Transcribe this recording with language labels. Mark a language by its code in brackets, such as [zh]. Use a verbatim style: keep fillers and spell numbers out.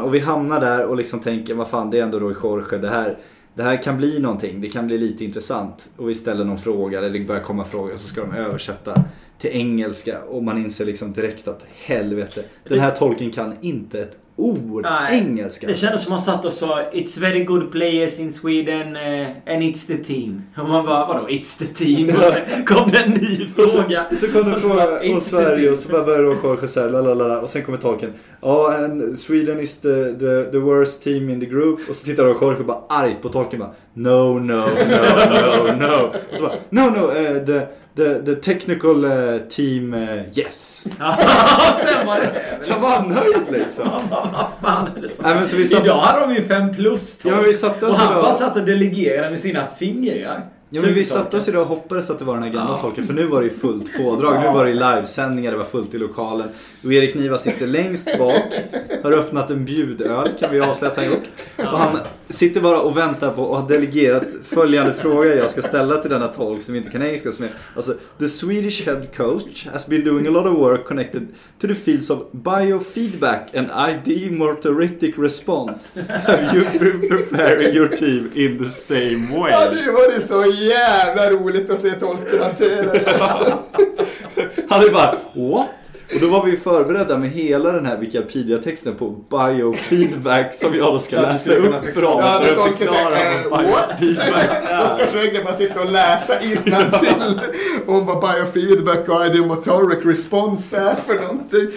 [sv] Och vi hamnar där och liksom tänker, vad fan, det är ändå Roy Jorge det här. Det här kan bli någonting, det kan bli lite intressant. Och vi ställer någon fråga, eller det börjar komma frågor och så ska de översätta till engelska. Och man inser liksom direkt att helvete, den här tolken kan inte ett ord nej, engelska. Det kändes som man satt och sa [en] it's very good players in Sweden uh, and it's the team. [sv] Och man bara, vadå [en] it's the team? [sv] Och sen kom det en ny fråga. Så, så kom det en fråga om Sverige och så bara började och Jorge så här, lalalala. Och sen kommer tolken, ja [en] oh, and Sweden is the, the, the worst team in the group. [sv] Och så tittar de och Jorge bara argt på tolken bara, [en] no, no, no, no, no. [sv] Och så bara, [en] no, no, uh, the The, the technical uh, team, uh, yes. [sv] Sen var det så var han nöjd liksom. Vad fan är det så? Nej, men så vi satt... Idag hade de ju fem plus. Ja, men vi satt och han bara satt och delegerade med sina fingrar. Ja, men vi satt oss idag och hoppades att det var den här gamla ja. Tolken. För nu var det ju fullt pådrag. Nu var det ju livesändningar, det var fullt i lokalen. Och Erik Niva sitter längst bak. Har öppnat en bjudöl, kan vi avslöja att han gjort. Och han sitter bara och väntar på och har delegerat följande fråga jag ska ställa till denna tolk som inte kan engelska. Som är, alltså, [en] the Swedish head coach has been doing a lot of work connected to the fields of biofeedback and I D motoric response. Have you been preparing your team in the same way? [sv] Ja, det var det så jävla roligt att se tolken hantera det. Alltså. Han är bara, what? Och då var vi förberedda med hela den här Wikipedia-texten på biofeedback som jag då ska läsa upp för dem. Ja, det tolkar sig. What? Då ska Sjögren bara sitta och läsa innantill om vad biofeedback och I D motoric response är för någonting.